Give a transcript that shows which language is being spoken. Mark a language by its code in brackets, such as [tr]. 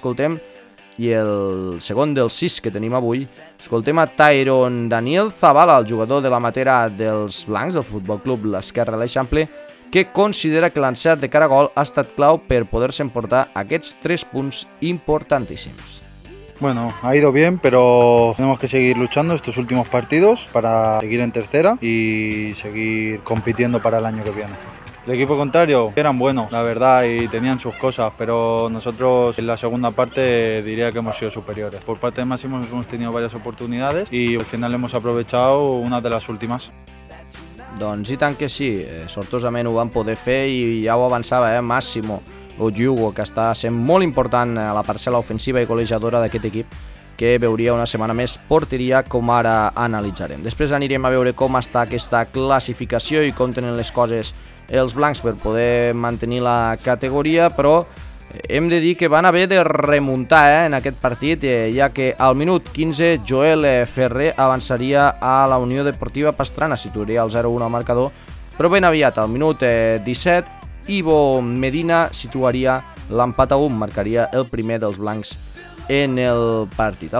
[ca] Escoltem, i el segon dels 6 que tenim avui, escoltem a Tyrone Daniel Zavala, el jugador de la matera dels blancs del Futbol Club L'Esquerra de l'Eixample, que considera que l'encert de cara a gol ha estat clau per poder-se emportar aquests 3 punts importantíssims. [es] Bueno, ha ido bien, pero tenemos que seguir luchando estos últimos partidos para seguir en tercera y seguir compitiendo para el año que viene. El equipo contrario eran buenos, la verdad, y tenían sus cosas, pero nosotros en la segunda parte diría que hemos sido superiores. Por parte de Máximo hemos tenido varias oportunidades y al final hemos aprovechado una de las últimas. [ca] Doncs i tant que sí, sortosament ho van poder fer i ja ho avançava, Máximo Oyugo, que està sent molt important a la parcel·la ofensiva i golejadora d'aquest equip, que veuria una setmana més porteria, com ara analitzarem. Després anirem a veure com està aquesta classificació i com tenen les coses els blancs per poder mantenir la categoria, però hem de dir que van haver de remuntar en aquest partit, ja que al minut 15 Joel Ferrer avançaria a la Unió Deportiva Pastrana, situaria el 0-1 al marcador, però ben aviat, al minut 17, Ivo Medina situaria l'empat a 1, marcaria el primer dels blancs en el partit.